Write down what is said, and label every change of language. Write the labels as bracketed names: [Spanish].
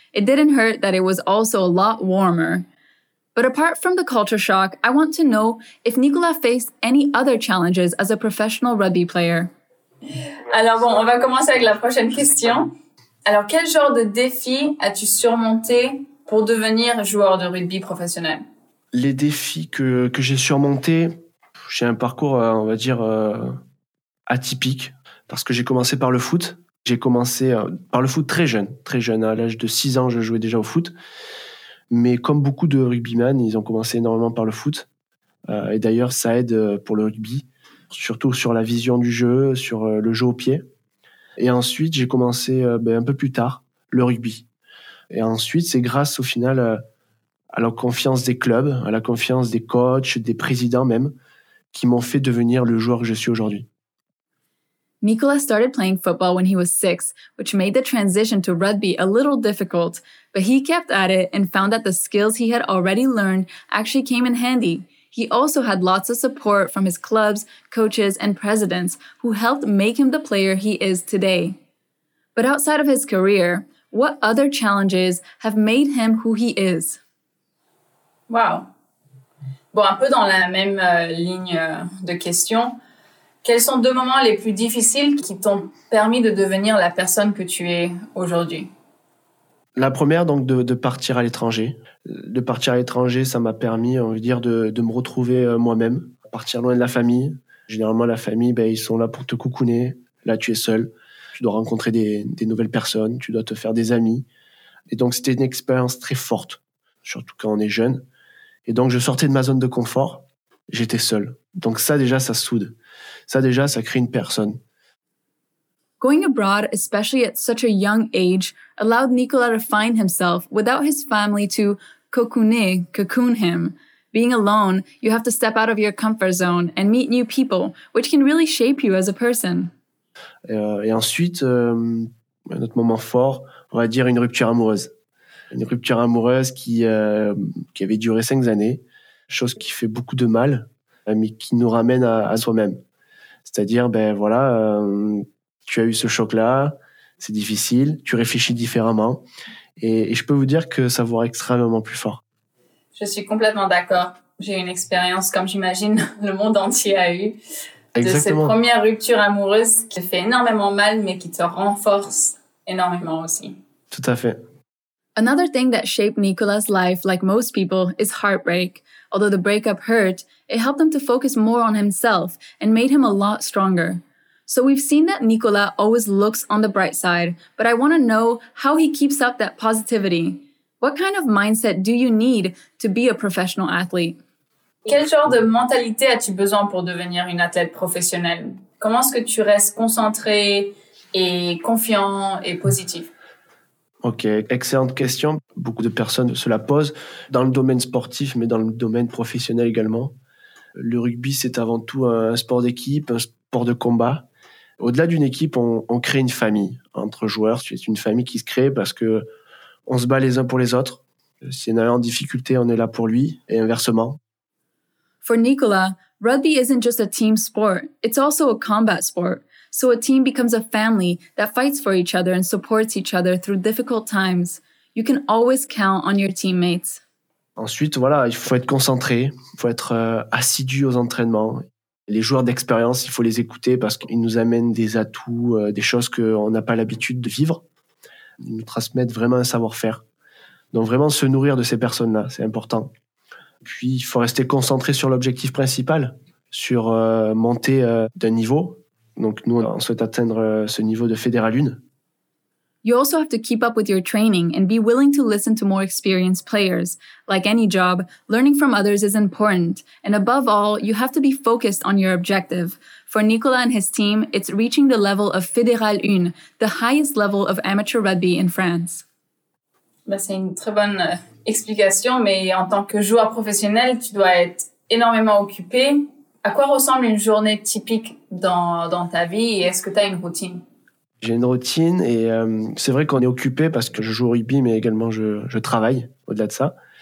[English] It didn't hurt that it was also a lot warmer. But apart from the culture shock, I want to know if Nicola faced any other challenges as a professional rugby player. [French] Alors bon, on va commencer avec la prochaine question. Alors, quel genre de défis as-tu surmonté pour devenir joueur de rugby professionnel? Les défis que j'ai surmontés, j'ai un parcours, on va dire, atypique, parce que j'ai commencé par le foot. J'ai commencé par le foot très jeune. À l'âge de 6 ans, je jouais déjà au foot. Mais comme beaucoup de rugbyman, ils ont commencé énormément par le foot. Et d'ailleurs, ça aide pour le rugby, surtout sur la vision du jeu, sur le jeu au pied. Et ensuite, j'ai commencé un peu plus tard le rugby. Et ensuite, c'est grâce au final à la confiance des clubs, à la confiance des coachs, des présidents même, qui m'ont fait devenir le joueur que je suis aujourd'hui. [English] Nicola started playing football when he was 6, which made the transition to rugby a little difficult. But he kept at it and found that the skills he had already learned actually came in handy. He also had lots of support from his clubs, coaches, and presidents who helped make him the player he is today. But outside of his career, what other challenges have made him who he is? Wow. [French] Bon, un peu dans la même ligne de question. Quels sont deux moments les plus difficiles qui t'ont permis de devenir la personne que tu es aujourd'hui? La première, donc, de partir à l'étranger. De partir à l'étranger, ça m'a permis, on veut dire, de me retrouver moi-même, partir loin de la famille. Généralement, la famille, ben, ils sont là pour te coucouner. Là, tu es seul. Tu dois rencontrer des nouvelles personnes. Tu dois te faire des amis. Et donc, c'était une expérience très forte, surtout quand on est jeune. Et donc, je sortais de ma zone de confort. J'étais seul. Donc, ça, déjà, ça soude. Ça, déjà, ça crée une personne. [English] Going abroad, especially at such a young age, allowed Nicola to find himself without his family to cocoon him. Being alone, you have to step out of your comfort zone and meet new people, which can really shape you as a person. [French] Et ensuite, un autre moment fort, on va dire une rupture amoureuse. Une rupture amoureuse qui avait duré 5 années, chose qui fait beaucoup de mal, mais qui nous ramène à soi-même. C'est-à-dire, tu as eu ce choc-là, c'est difficile, tu réfléchis différemment. Et je peux vous dire que ça vous rend extrêmement plus fort. Je suis complètement d'accord. J'ai une expérience, comme j'imagine le monde entier a eu, de cette première rupture amoureuse qui te fait énormément mal, mais qui te renforce énormément aussi. Tout à fait. [English] Another thing that shaped Nicolas' life, like most people, is heartbreak. Although the breakup hurt, it helped him to focus more on himself and made him a lot stronger. So we've seen that Nicolas always looks on the bright side, but I want to know how he keeps up that positivity. What kind of mindset do you need to be a professional athlete? [French] Quel genre de mentalité as-tu besoin pour devenir une athlète professionnelle? Comment est-ce que tu restes concentré et confiant et positif? Ok, excellente question. Beaucoup de personnes se la posent dans le domaine sportif, mais dans le domaine professionnel également. Le rugby, c'est avant tout un sport d'équipe, un sport de combat. Au-delà d'une équipe, on crée une famille entre joueurs. C'est une famille qui se crée parce que on se bat les uns pour les autres. Si on est en difficulté, on est là pour lui et inversement. [English] For Nicolas, rugby isn't just a team sport. It's also a combat sport. So a team becomes a family that fights for each other and supports each other through difficult times. You can always count on your teammates. [French] Ensuite, voilà, il faut être concentré, il faut être assidu aux entraînements. Les joueurs d'expérience, il faut les écouter parce qu'ils nous amènent des atouts, des choses qu'on n'a pas l'habitude de vivre. Ils nous transmettent vraiment un savoir-faire. Donc vraiment se nourrir de ces personnes-là, c'est important. Puis il faut rester concentré sur l'objectif principal, sur monter d'un niveau. Donc nous, on souhaite atteindre ce niveau de Fédéral 1. [English] You also have to keep up with your training and be willing to listen to more experienced players. Like any job, learning from others is important. And above all, you have to be focused on your objective. For Nicolas and his team, it's reaching the level of Fédéral 1, the highest level of amateur rugby in France. [French] Bah, c'est une très bonne explication, mais en tant que joueur professionnel, tu dois être énormément occupé. À quoi ressemble une journée typique dans ta vie et est-ce que tu as une routine? J'ai une routine et c'est vrai qu'on est occupé parce que je joue au rugby, mais également je travaille au-delà de ça.